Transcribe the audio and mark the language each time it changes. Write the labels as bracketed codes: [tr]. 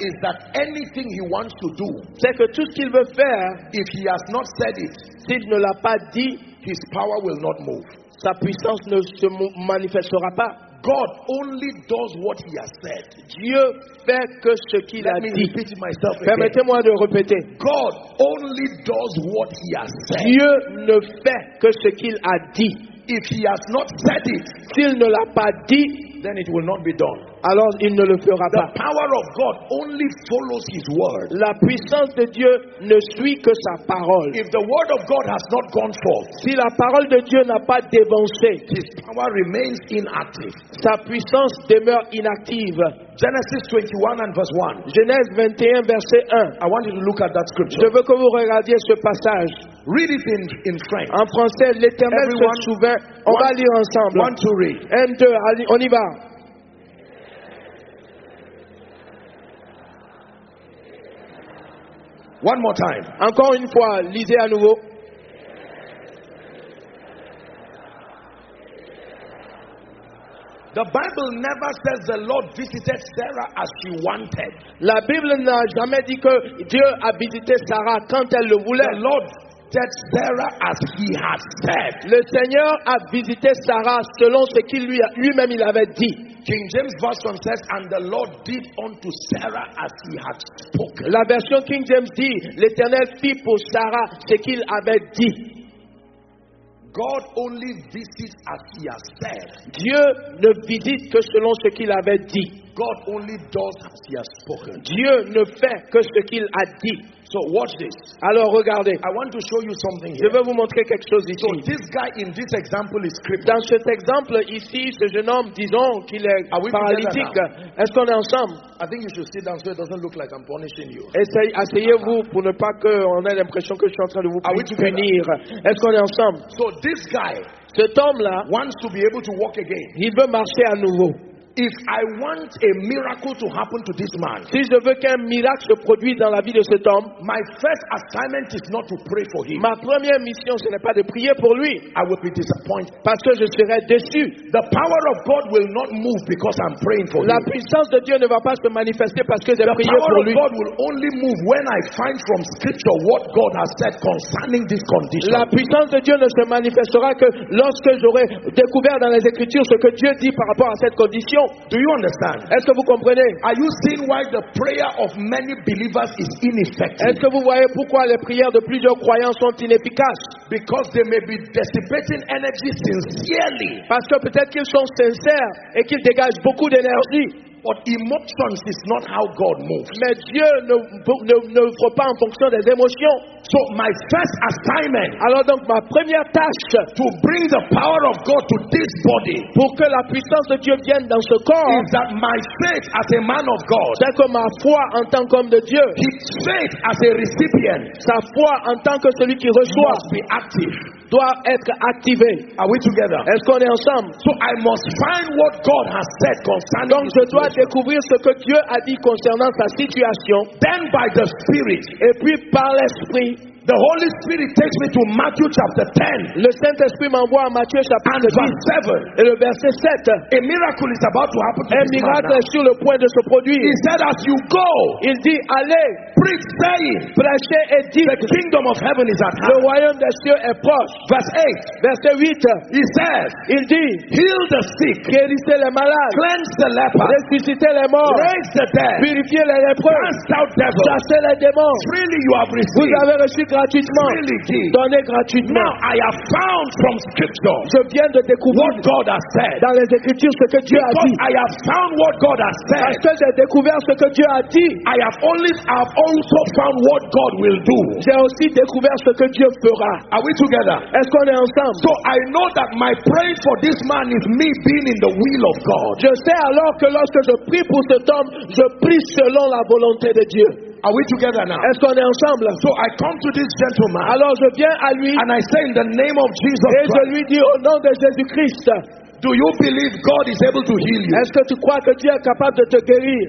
[en] is that anything He wants to do, [fr] c'est que tout ce qu'il veut faire, [en] if He has not said it, [fr] s'il ne l'a pas dit, [en] His power will not move. [fr] Sa puissance ne se manifestera pas. [en] God only does what He has said. [fr] Dieu fait que ce qu'il [en] Let [fr] a [en] me [fr] dit. [en] Repeat myself again. [fr] Permettez-moi de répéter. [en] God only does what He has said. [fr] Dieu ne fait que ce qu'il a dit. [en] If He has not said it, [fr] s'il ne l'a pas dit, [en] then it will not be done. [fr] Alors il ne le fera [en] the [fr] pas. [en] The power of God only follows His word. [fr] La puissance de Dieu ne suit que sa parole. [en] If the word of God has not gone forth, [fr] si la parole de Dieu n'a pas dévancé, [en] His power remains inactive. [fr] Sa puissance demeure inactive. [en] Genesis 21 and verse 1. [fr] Genèse 21 verset 1. [en] I want you to look at that scripture. [fr] Je veux que vous regardiez ce passage. [en] Read it in French. [fr] En français, l'Éternel se souvint. On va lire ensemble. [en] One to read. [fr] Un, deux, on y va. [en] One more time. [fr] Encore une fois, lisez à nouveau. [en] The Bible never says the Lord visited Sarah as she wanted. [fr] La Bible n'a jamais dit que Dieu a visité Sarah quand elle le voulait. [en] The Lord visited Sarah as he had said. [fr] Le Seigneur a visité Sarah selon ce qu'il lui-même il avait dit. [en] King James Version says, and the Lord did unto Sarah as he had spoken. [fr] La version King James dit, l'Éternel fit pour Sarah ce qu'il avait dit. [en] God only visits as he has said. [fr] Dieu ne visite que selon ce qu'il avait dit. [en] God only does as he has spoken. [fr] Dieu ne fait que ce qu'il a dit. [en] So watch this. [fr] Alors regardez. [en] I want to show you something here. [fr] Je veux vous montrer quelque chose ici. [en] So this guy in this example is crippled. [fr] Dans cet exemple ici, ce jeune homme, disons qu'il est paralytique. Est-ce qu'on est ensemble? [en] I think you should sit down so it doesn't look like I'm punishing you. [fr] Asseyez-vous pour ne pas qu'on ait l'impression que je suis en train de vous punir. Est-ce qu'on est ensemble? [en] So this guy, [fr] cet homme-là, [en] wants to be able to walk again. [fr] Il veut marcher à nouveau. [en] If I want a miracle to happen to this man, [fr] si je veux qu'un miracle se produise dans la vie de cet homme, [en] my first assignment is not to pray for him. [fr] Ma première mission, ce n'est pas de prier pour lui. [en] I will be disappointed. [fr] Parce que je serai déçu. [en] The power of God will not move because I'm praying for him. [fr] La puissance de Dieu ne va pas se manifester parce que j'ai prié pour lui. [en] The power of God will only move when I find from Scripture what God has said concerning this condition. [fr] La puissance de Dieu ne se manifestera que lorsque j'aurai découvert dans les Écritures ce que Dieu dit par rapport à cette condition. [en] Do you understand? [fr] Est-ce que vous comprenez? [en] Are you seeing why the prayer of many believers is ineffective? [fr] Est-ce que vous voyez pourquoi les prières de plusieurs croyants sont inefficaces? [en] Because they may be dissipating energy sincerely. [fr] Parce que peut-être qu'ils sont sincères et qu'ils dégagent beaucoup d'énergie. [en] But emotions is not how God moves. [fr] Mais Dieu ne fera pas en fonction des émotions. [en] So my first assignment. [fr] Alors donc ma première tâche. [en] To bring the power of God to this body. [fr] Pour que la puissance de Dieu vienne dans ce corps. [en] Is that my faith as a man of God. [fr] C'est que ma foi en tant qu'homme de Dieu. [en] His faith as a recipient. [fr] Sa foi en tant que celui qui reçoit. [en] Must be active. [fr] Doit être activé. [en] Are we together? [fr] Est-ce qu'on est ensemble? [en] So I must find what God has said concerning. [fr] Donc je dois découvrir ce que Dieu a dit concernant sa situation. [en] Then by the Spirit. [fr] Et puis par l'Esprit. [en] The Holy Spirit takes me to Matthew chapter 10. [fr] Le Saint-Esprit m'envoie à Matthieu chapitre 10. [en] And verse 7. [fr] Et le verset 7. [en] A miracle is about to happen to this man. [fr] Un miracle est sur le point de se produire. [en] He said, as you go, [fr] il dit, allez, [en] preach, saying, [fr] prêchez et dites, [en] the kingdom of heaven is at hand. [fr] Le royaume des cieux est proche. [en] Verse 8. [fr] Verset 8. [en] He says, [fr] il dit, [en] heal the sick, [fr] guérissez les malades, [en] cleanse the leper, [fr] ressuscitez les morts, [en] raise the dead, [fr] purifiez les lépreux, [en] cast out devils, [fr] chassez les démons. [en] Freely you have received. [fr] Vous avez reçu gratuitement. [en] Really, [fr] donnez gratuitement. [en] Now I have found from Scripture. [fr] Je viens de découvrir [en] what God has said. [fr] Dans les Écritures ce que Dieu [en] because [fr] a dit. [en] I have found what God has said. [fr] Parce que j'ai découvert ce que Dieu a dit. [en] I have also found what God will do. [fr] J'ai aussi découvert ce que Dieu fera. [en] Are we together? [fr] Est-ce qu'on est ensemble? [en] So I know that my praying for this man is me being in the will of God. [fr] Je sais alors que lorsque je prie pour cet homme, je prie selon la volonté de Dieu. [en] Are we together now? [fr] Est-ce qu'on est ensemble? [en] So I come to this gentleman. [fr] Alors je viens à lui. [en] And I say in the name of Jesus [fr] Christ. Et je lui dis au nom de Jésus-Christ. [en] Do you believe God is able to heal you? [fr] Est-ce que tu crois que Dieu est capable de te guérir?